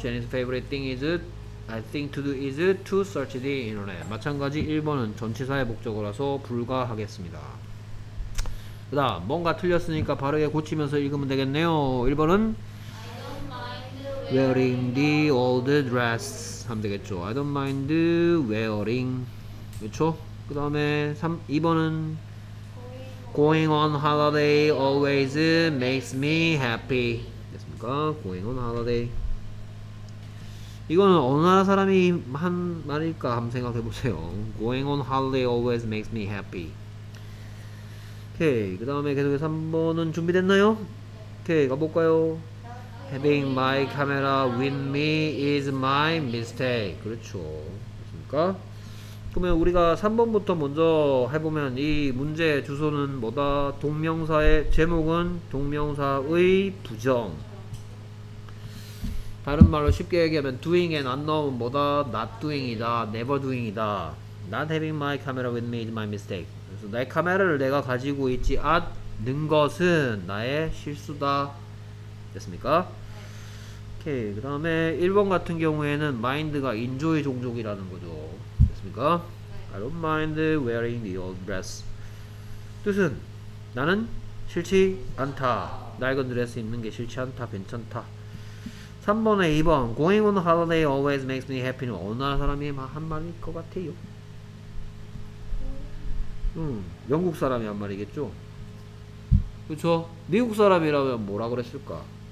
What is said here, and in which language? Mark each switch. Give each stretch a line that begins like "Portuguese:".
English: Jenny's favorite thing is, I think to do is to search the internet.
Korean: 마찬가지 1번은 전치사의 목적어라서 불가하겠습니다. 그 다음, 뭔가 틀렸으니까 바르게 고치면서 읽으면 되겠네요. 1번은
English: wearing the old dress
Korean: 하면 되겠죠.
English: I don't mind wearing.
Korean: 그렇죠. 그 다음에 2번은
English: going on holiday always makes me happy.
Korean: 됐습니까?
English: Going on holiday.
Korean: 이거는 어느 나라 사람이 한 말일까 한번 생각해보세요.
English: Going on holiday always makes me happy. 오케이.
Korean: 그 다음에 계속해서 3번은 준비됐나요? 오케이. 가볼까요?
English: Having my camera with me is my mistake.
Korean: 그렇죠. 됐습니까? 그러면 우리가 3번부터 먼저 해보면 이 문제 주소는 뭐다? 동명사의 제목은 동명사의 부정. 다른 말로 쉽게 얘기하면
English: doing and not knowing
Korean: 뭐다?
English: not doing
Korean: 이다.
English: never doing
Korean: 이다.
English: not having my camera with me is my mistake.
Korean: 그래서 내 카메라를 내가 가지고 있지 않는 것은 나의 실수다. 됐습니까? 오케이. 그 다음에 1번 같은 경우에는 mind가 enjoy 종족이라는 거죠. 그니까
English: I don't mind wearing the old dress.
Korean: 뜻은 나는 싫지 않다. 낡은 드레스 입는 게 싫지 않다. 괜찮다. 3번에 2번
English: Going on holiday always makes me happy.
Korean: 어느 나라 사람이 한 말일 것 같아요. 영국 사람이 한 말이겠죠. 그렇죠. 미국 사람이라면 뭐라 그랬을까?